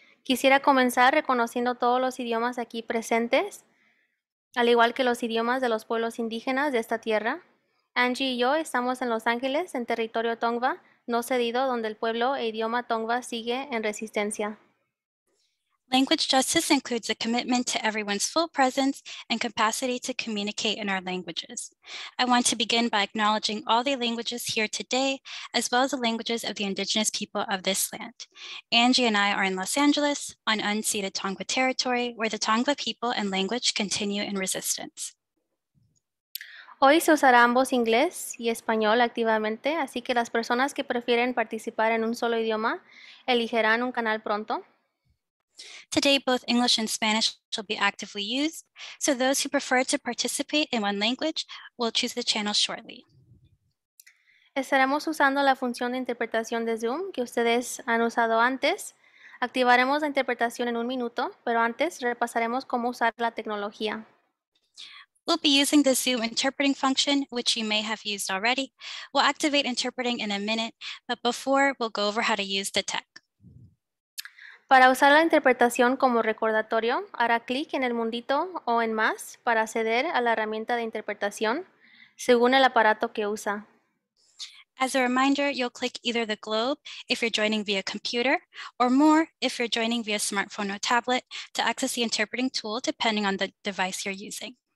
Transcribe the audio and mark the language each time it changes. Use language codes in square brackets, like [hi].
[es] Quisiera comenzar reconociendo todos los idiomas aquí presentes, al igual que los idiomas de los pueblos indígenas de esta tierra. Angie y yo estamos en Los Ángeles, en territorio Tongva, no cedido, donde el pueblo e idioma Tongva sigue en resistencia. [en] Language justice includes a commitment to everyone's full presence and capacity to communicate in our languages. I want to begin by acknowledging all the languages here today, as well as the languages of the indigenous people of this land. Angie and I are in Los Angeles, on unceded Tongva territory, where the Tongva people and language continue in resistance. [es] Hoy se usará ambos inglés y español activamente, así que las personas que prefieren participar en un solo idioma elegirán un canal pronto. [en] Today, both English and Spanish will be actively used, so those who prefer to participate in one language will choose the channel shortly. [es] Estaremos usando la función de interpretación de Zoom que ustedes han usado antes. Activaremos la interpretación en un minuto, pero antes repasaremos cómo usar la tecnología. [en] We'll be using the Zoom interpreting function, which you may have used already. We'll activate interpreting in a minute, but before, we'll go over how to use the tech. [es] Para usar la interpretación como recordatorio, hará clic en el mundito o en más para acceder a la herramienta de interpretación según el aparato que usa. [en] As a reminder, you'll click either the globe if you're joining via computer or more if you're joining via smartphone or tablet to access the interpreting tool depending on the device you're using.